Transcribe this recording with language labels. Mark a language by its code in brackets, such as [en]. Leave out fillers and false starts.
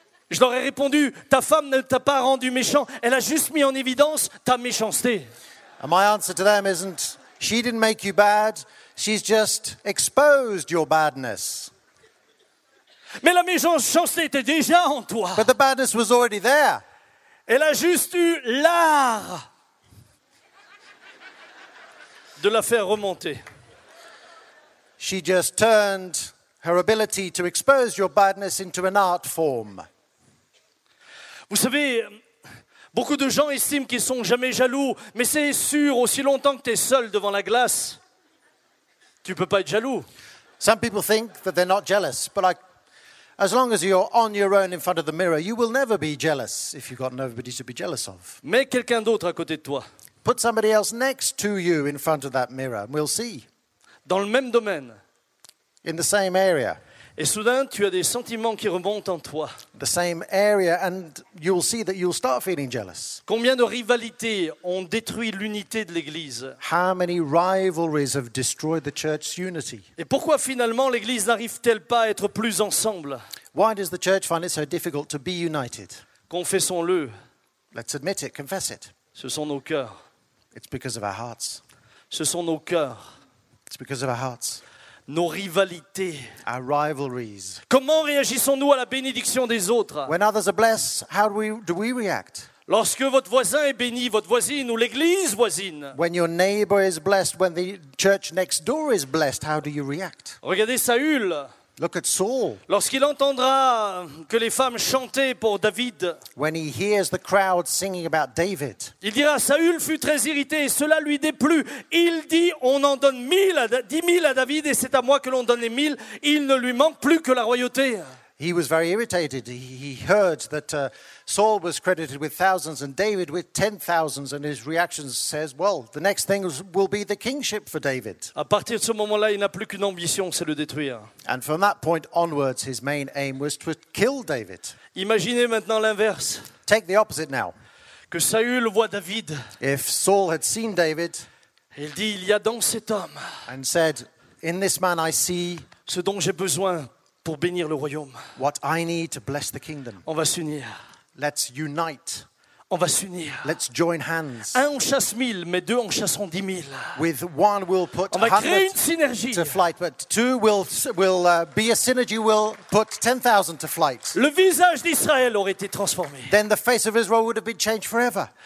[fr] Je leur ai répondu, ta femme ne t'a pas rendu méchant, elle a juste mis en évidence ta méchanceté. [en] And my answer to them isn't, she didn't make you bad, she's just exposed your badness. [fr] Mais la méchanceté était déjà en toi. [en] But the badness was already there. [fr] Elle a juste eu l'art de la faire remonter. [en] She just turned her ability to expose your badness into an art form. [fr] Vous savez, beaucoup de gens estiment qu'ils sont jamais jaloux, mais c'est sûr, aussi longtemps que tu es seul devant la glace, tu peux pas être jaloux. [en] Some people think that they're not jealous, but as long as you're on your own in front of the mirror, you will never be jealous if you've got nobody to be jealous of. [fr] Mets quelqu'un d'autre à côté de toi. [en] Put somebody else next to you in front of that mirror, and we'll see. [fr] Dans le même domaine. [en] In the same area. [fr] Et soudain, tu as des sentiments qui remontent en toi. [en] The same area, and you'll see that you'll start feeling jealous. [fr] Combien de rivalités ont détruit l'unité de l'Église? [en] How many rivalries have destroyed the church's unity? [fr] Et pourquoi finalement l'Église n'arrive-t-elle pas à être plus ensemble? [en] Why does the church find it so difficult to be united? [fr] Confessons-le. [en] Let's admit it, confess it. [fr] Ce sont nos cœurs. [en] It's because of our hearts. [fr] Ce sont nos cœurs. [en] It's because of our hearts. [fr] Nos rivalités. [en] Our rivalries. [fr] Comment réagissons-nous à la bénédiction des autres? [en] When others are blessed, how do we react? [fr] Lorsque votre voisin est béni, votre voisine ou l'église voisine. [en] When your neighbor is blessed, when the church next door is blessed, how do you react? [fr] Regardez Saül. [en] Look at Saul. [fr] Lorsqu'il entendra que les femmes chantaient pour David. [en] When he hears the crowd singing about David. [fr] Il dira, Saül fut très irrité et cela lui déplut. Il dit, on en donne 10 000 à David et c'est à moi que l'on donne les 1 000. Il ne lui manque plus que la royauté. [en] He was very irritated. He heard that Saul was credited with thousands and David with 10,000. And his reaction says, well, the next thing will be the kingship for David. [fr] À partir de ce moment-là, il n'a plus qu'une ambition, c'est le détruire. [en] And from that point onwards, his main aim was to kill David. [fr] Imaginez maintenant l'inverse. [en] Take the opposite now. [fr] Que Saül voit David. [en] If Saul had seen David. [fr] Il dit, il y a dans cet homme. [en] And said, in this man I see. [fr] Ce dont j'ai besoin. Pour bénir le royaume. [en] What I need to bless the kingdom. [fr] On va s'unir. [en] Let's unite. [fr] On va s'unir. [en] Let's join hands. [fr] Un, on chasse 1000, mais deux, on chasse 10 000. [en] With one, we'll put 100 to flight, but two will be a synergy. We'll put 10,000 to flight. [fr] Le visage d'Israël aurait été transformé. [en] Then the face of Israel would have been changed forever.